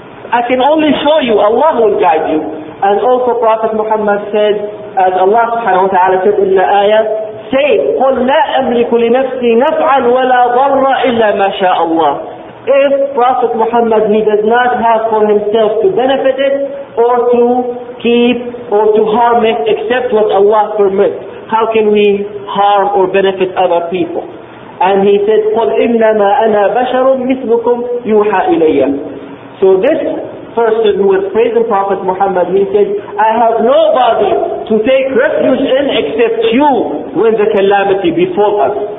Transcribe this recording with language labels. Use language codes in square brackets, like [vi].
[en] I can only show you, Allah will guide you. And also Prophet Muhammad said, as Allah subhanahu wa ta'ala said in the ayah, say, [ar] قُلْ لَا أَمْلِكُ لِنَفْسِي نَفْعًا وَلَا ضَرًّا إِلَّا مَا شَاءَ اللَّهُ. [en] If Prophet Muhammad, he does not have for himself to benefit it, or to keep, or to harm it, except what Allah permits, how can we harm or benefit other people? And he said, [ar] قُلْ إِنَّمَا أَنَا بَشَرٌ مِثْلُكُمْ يُوحَى إِلَيَّ. [en] So this person who was praising Prophet Muhammad, he said, I have nobody to take refuge in except you when the calamity befalls us.